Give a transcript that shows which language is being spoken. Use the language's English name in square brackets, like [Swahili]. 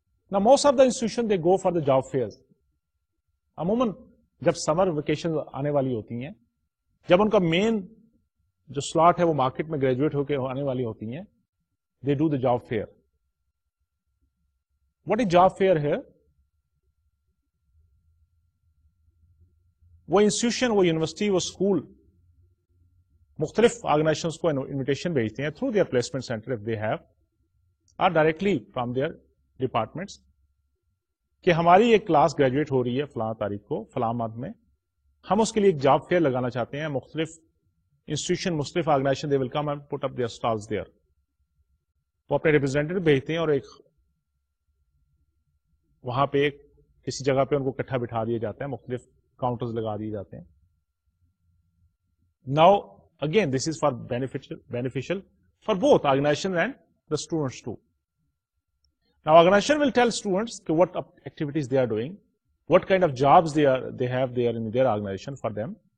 [English] نا most of the institution they go for the job fairs. [Urdu] عموماً جب summer vacation آنے والی ہوتی ہیں, جب ان کا مین جو سلاٹ ہے وہ مارکیٹ میں گریجویٹ ہو کے آنے والی ہوتی ہیں, [English] They do the job fair. What is job fair here? [Urdu] وہ انسٹیٹیوشن, وہ یونیورسٹی, وہ اسکول مختلف آرگنائزیشنز کو انویٹیشن بھیجتے ہیں [English] through their placement centre of they have or directly from their departments, [Urdu] کہ ہماری ایک کلاس گریجویٹ ہو رہی ہے فلاں تاریخ کو فلاں ماہ میں, ہم اس کے لیے ایک جاب فیئر لگانا چاہتے ہیں. [English] مختلف انسٹیٹیوشن, مختلف organization, they will come and put up their stalls there. [Urdu] وہ اپنے ریپرزینٹیٹو بھیجتے ہیں اور ایک وہاں پہ کسی جگہ پہ ان کو اکٹھا بٹھا دیا جاتا ہے, مختلف کاؤنٹرز لگا دیے جاتے ہیں. [English] Now Again, this is for beneficial for both organization and the students too. Now, organization will tell students what activities they are doing, what kind of jobs they have there in their organization for them.